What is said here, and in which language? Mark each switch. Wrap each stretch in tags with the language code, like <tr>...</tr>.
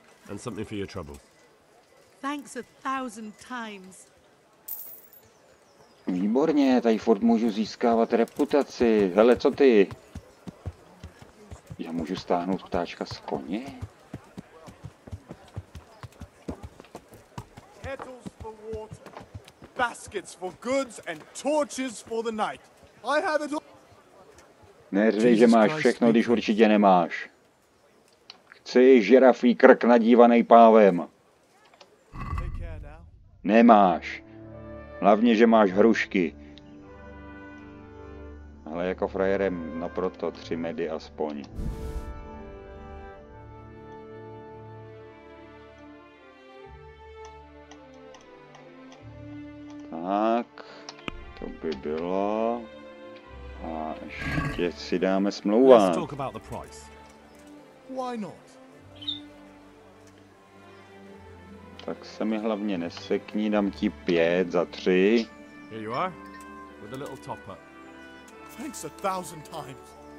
<en>And something for your trouble. Thanks a thousand times.</en> <cs>Výborně, tady furt můžu získávat reputaci. Hele, co ty? Já můžu stáhnout ptáčka z koně?</cs> <en>Kettles for water, baskets for goods and torches for the night. I have it all.</en> <cs>Neřvej, že máš všechno, když určitě nemáš. Chci žirafí krk nadívaný pávem. Nemáš. Hlavně, že máš hrušky. Ale jako frajerem, no proto 3 medy aspoň. Tak, to by bylo. A ještě si dáme smlouva. Tak se mi hlavně nesekni, dám ti 5 za 3.</cs> <en>Here you are, with a little topper. Thanks a thousand times.</en>